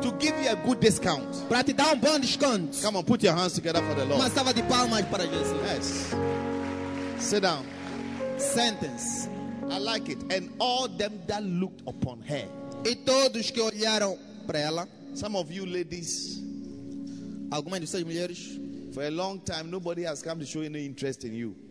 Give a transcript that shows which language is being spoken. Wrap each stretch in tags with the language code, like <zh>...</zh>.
<en>To give you a good discount.</en> <pt>Para te dar bom desconto.</pt> <en>Come on, put your hands together for the Lord.</en> <pt>Uma salva de palmas para Jesus.</pt> <en>Yes. Sit down. Sentence. I like it. And all them that looked upon her.</en> <pt>E todos que olharam para ela.</pt> <en>Some of you ladies.</en> <pt>Algumas de vocês mulheres.</pt> <en>For a long time, nobody has come to show any interest in you.</en>